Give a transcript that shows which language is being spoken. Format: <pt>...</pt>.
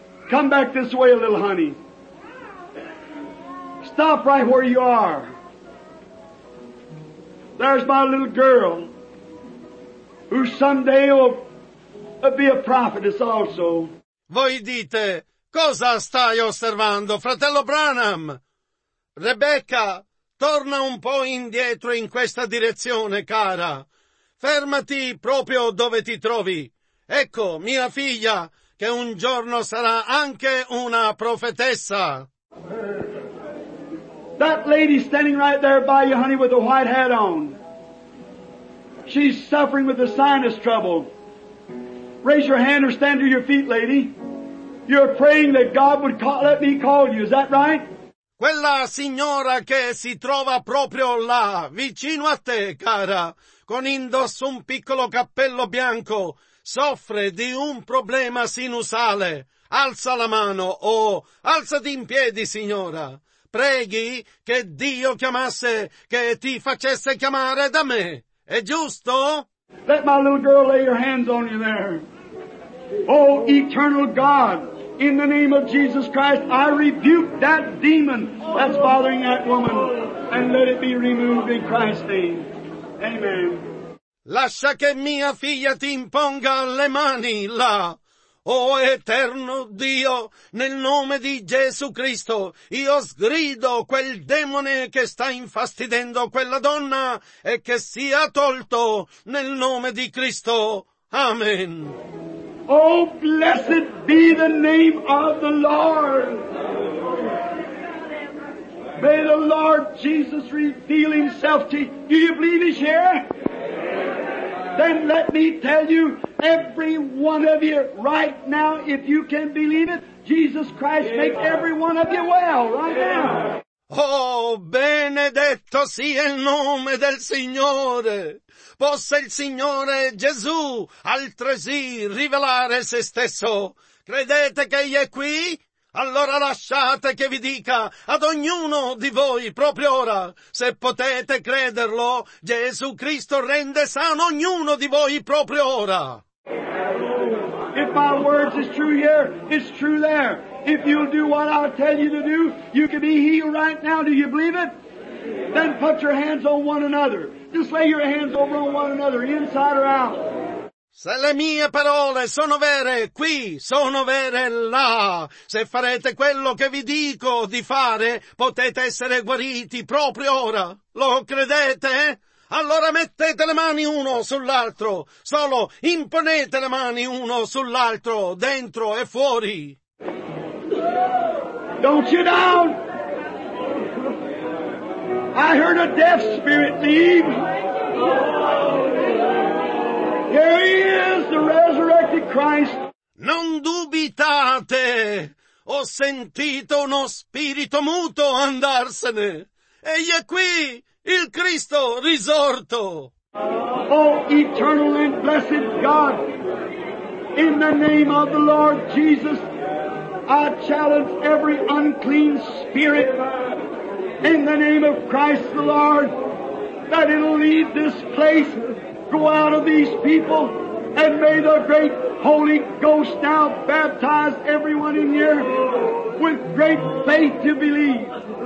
<en>Come back this way a little, honey. Stop right where you are. There's my little girl who someday will be a prophetess also.</en> <it>Voi dite, cosa stai osservando, fratello Branham? Rebecca, torna un po' indietro in questa direzione, cara. Fermati proprio dove ti trovi. Ecco, mia figlia, che un giorno sarà anche una profetessa.</it> <en>That lady standing right there by you, honey, with the white hat on. She's suffering with the sinus trouble. Raise your hand or stand to your feet, lady. You're praying that God would let me call you, is that right?</en> <it>Quella signora che si trova proprio là, vicino a te, cara, con indosso un piccolo cappello bianco, soffre di un problema sinusale. Alza la mano, alzati in piedi, signora. Preghi che Dio chiamasse, che ti facesse chiamare da me. È giusto?</it> <en>Let my little girl lay your hands on you there. Oh, eternal God, in the name of Jesus Christ, I rebuke that demon that's bothering that woman, and let it be removed in Christ's name. Amen.</en> <it>Lascia che mia figlia ti imponga le mani là. Oh eterno Dio, nel nome di Gesù Cristo, io sgrido quel demone che sta infastidendo quella donna e che sia tolto nel nome di Cristo. Amen.</it> <en>Oh, blessed be the name of the Lord. May the Lord Jesus reveal himself to you. Do you believe he's here? Then let me tell you, every one of you right now, if you can believe it, Jesus Christ, yeah, make every one of you well right, yeah, now.</en> <it>Oh, benedetto sia il nome del Signore. Possa il Signore Gesù altresì rivelare se stesso. Credete che egli è qui? Allora lasciate che vi dica ad ognuno di voi proprio ora, se potete crederlo, Gesù Cristo rende sano ognuno di voi proprio ora.</it> <en>If my words is true here, it's true there. If you'll do what I tell you to do, you can be healed right now. Do you believe it? Then put your hands on one another. Just lay your hands over on one another, inside or out.</en> <it>Se le mie parole sono vere qui, sono vere là. Se farete quello che vi dico di fare, potete essere guariti proprio ora. Lo credete? Allora mettete le mani uno sull'altro, solo imponete le mani uno sull'altro, dentro e fuori.</it> <en>Don't you down? I heard a deaf spirit leave. Here he is, the resurrected Christ.</en> <it>Non dubitate! Ho sentito uno spirito muto andarsene. Egli è qui, il Cristo risorto.</it> <en>Oh, eternal and blessed God, in the name of the Lord Jesus, I challenge every unclean spirit in the name of Christ the Lord that it'll leave this place, go out of these people, and may the great Holy Ghost now baptize everyone in here with great faith to believe.</en>